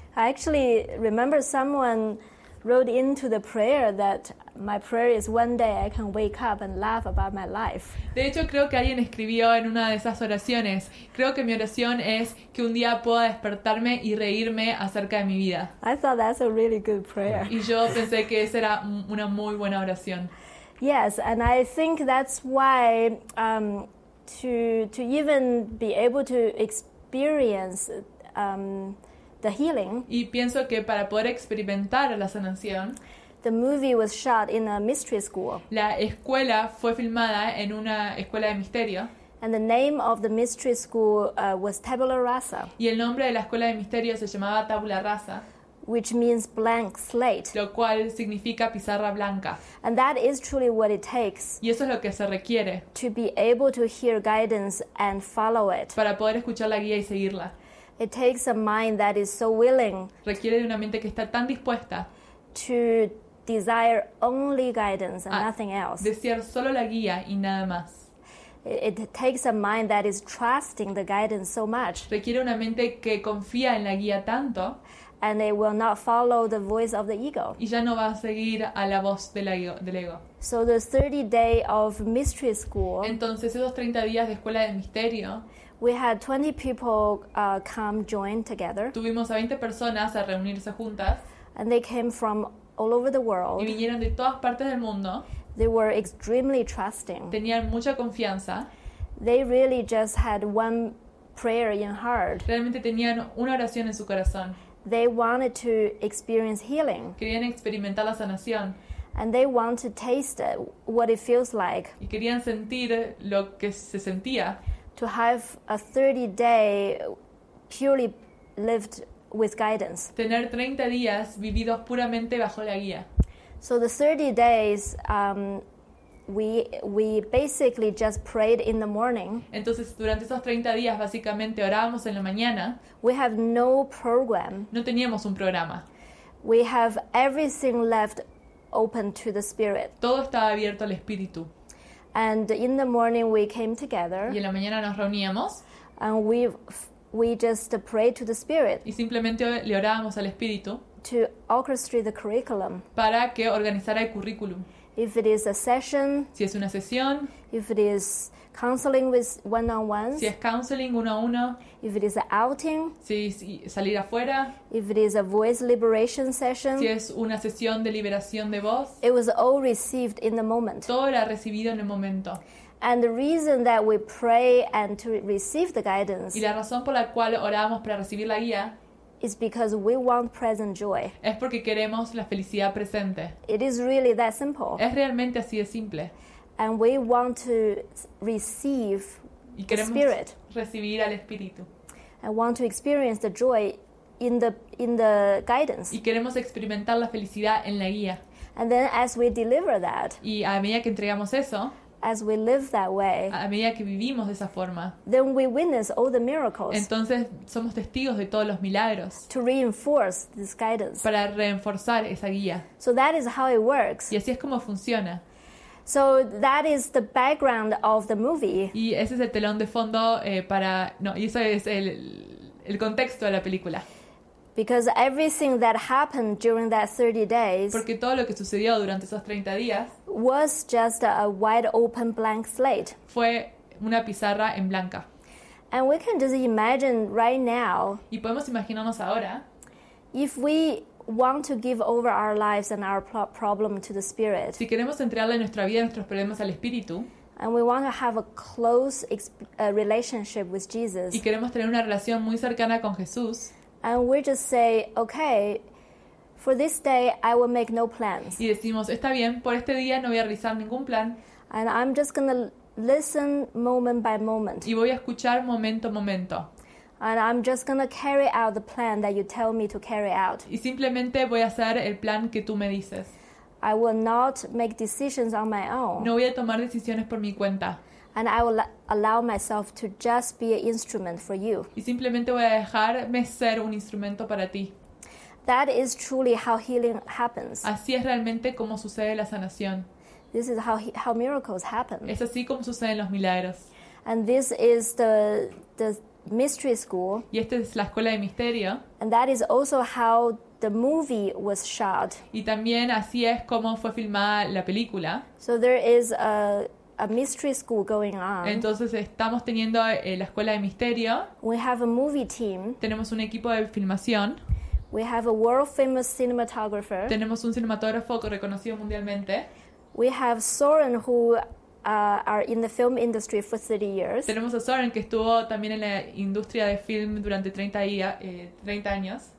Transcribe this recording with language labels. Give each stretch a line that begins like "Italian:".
English: I actually remember someone wrote into the prayer that my prayer is one day I can wake up and laugh about my life.
Spanish: De hecho, creo que alguien escribió en una de esas oraciones, creo que mi oración es que un día pueda despertarme y reírme acerca de mi vida.
English: I thought that's a really good prayer.
Spanish: Y yo pensé que esa era una muy buena oración.
English: Yes, and I think that's why to even be able to experience the healing.
Spanish: Y pienso que para poder experimentar la sanación.
English: The movie was shot in a mystery school.
Spanish: La escuela fue filmada en una escuela de misterio.
English: And the name of the mystery school was Tabula Rasa.
Spanish: Y el nombre de la escuela de misterio se llamaba Tabula Rasa.
English: which means blank slate.
Spanish: Lo cual significa pizarra blanca.
English: And that is truly what it takes.
Spanish: Y eso es lo que se requiere.
English: To be able to hear guidance and follow it.
Spanish: Para poder escuchar la guía y seguirla.
English: It takes a mind that is so willing.
Spanish: Requiere de una mente que está tan dispuesta.
English: To desire only guidance and nothing else.
Spanish: Desear solo la guía y nada más.
English: It takes a mind that is trusting the guidance so much.
Spanish: Requiere una mente que confía en la guía tanto.
English: And it will not follow the voice of the ego.
Spanish: Y ya no va a seguir a la voz del ego.
English: So the 30 day of mystery school.
Spanish: Entonces esos 30 días de escuela de misterio.
English: We had 20 people come join together.
Spanish: Tuvimos a 20 personas a reunirse juntas.
English: And they came from all over the world.
Spanish: Y vinieron de todas partes del mundo.
English: They were extremely trusting.
Spanish: Tenían mucha confianza.
English: They really just had one prayer in heart.
Spanish: Realmente tenían una oración en su corazón.
English: They wanted to experience healing.
Spanish: Querían experimentar la sanación.
English: And they wanted to taste what it feels like.
Spanish: Y querían sentir lo que se sentía.
English: To have a 30-day purely lived with guidance.
Spanish: Tener 30 días vividos puramente bajo la guía.
English: So the 30 days, we basically just prayed in the morning.
Spanish: Entonces, durante esos 30 días, básicamente orábamos en la mañana.
English: We have no program.
Spanish: No teníamos un programa.
English: We have everything left open to the spirit.
Spanish: Todo estaba abierto al espíritu.
English: And in the morning we came together.
Spanish: Y en la mañana nos reuníamos.
English: And we just prayed to the spirit.
Spanish: Y simplemente le orábamos al espíritu.
English: To orchestrate the curriculum.
Spanish: Para que organizara el currículum.
English: If it is a session.
Spanish: Si es una sesión.
English: If it is counseling with one-on-ones.
Spanish: Si es counseling uno a uno.
English: If it is an outing.
Spanish: Si es salir afuera.
English: If it is a voice liberation session.
Spanish: Si es una sesión de liberación de voz.
English: It was all received in the moment.
Spanish: Todo era recibido en el momento.
English: And the reason that we pray and to receive the guidance.
Spanish: Y la razón por la cual oramos para recibir la guía.
English: Is because we want present joy.
Spanish: Es porque queremos la felicidad presente.
English: It is really that simple.
Spanish: Es realmente así de simple.
English: And we want to receive
Spanish: y queremos
English: the spirit.
Spanish: Recibir al espíritu.
English: I want to experience the joy in the guidance.
Spanish: Y queremos experimentar la felicidad en la guía.
English: And then as we deliver that.
Spanish: Y a medida que entregamos eso.
English: As we live that way.
Spanish: A medida que vivimos de esa forma.
English: Then we witness all the miracles.
Spanish: Entonces somos testigos de todos los milagros.
English: To reinforce this guidance.
Spanish: Para reforzar esa guía.
English: So that is how it works.
Spanish: Y así es como funciona.
English: So that is the background of the movie.
Spanish: Y ese es el telón de fondo para no, y eso es el contexto de la película.
English: Because everything that happened during that 30 days.
Spanish: Porque todo lo que sucedió durante esos 30 días.
English: Was just a wide open blank slate.
Spanish: Fue una pizarra en blanca.
English: And we can just imagine right now.
Spanish: Y podemos imaginarnos ahora.
English: If we want to give over our lives and our problem to the spirit.
Spanish: Si queremos entregarle nuestra vida y nuestros problemas al espíritu.
English: And we want to have a close relationship with Jesus.
Spanish: Y queremos tener una relación muy cercana con Jesús.
English: And we just say, okay, for this day, I will make no plans.
Spanish: Y decimos, está bien, por este día no voy a realizar ningún plan.
English: And I'm just going to listen moment by moment.
Spanish: Y voy a escuchar momento a momento.
English: And I'm just going to carry out the plan that you tell me to carry out.
Spanish: Y simplemente voy a hacer el plan que tú me dices.
English: I will not make decisions on my own.
Spanish: No voy a tomar decisiones por mi cuenta.
English: And I will allow myself to just be an instrument for you.
Spanish: Y simplemente voy a dejarme ser un instrumento para ti.
English: That is truly how healing happens.
Spanish: Así es realmente como sucede la sanación.
English: This is how miracles happen.
Spanish: Es así como suceden los milagros.
English: And this is the mystery school.
Spanish: Y esta es la escuela de misterio.
English: And that is also how the movie was shot.
Spanish: Y también así es como fue filmada la película.
English: So there is a mystery school going on.
Spanish: Entonces estamos teniendo la escuela de misterio.
English: We have a movie team.
Spanish: Tenemos un equipo de filmación.
English: We have a world famous cinematographer.
Spanish: Tenemos un cinematógrafo reconocido mundialmente.
English: We have Soren who are in the film industry for 30 years.
Spanish: Tenemos a Soren que estuvo también en la industria de film durante 30 años.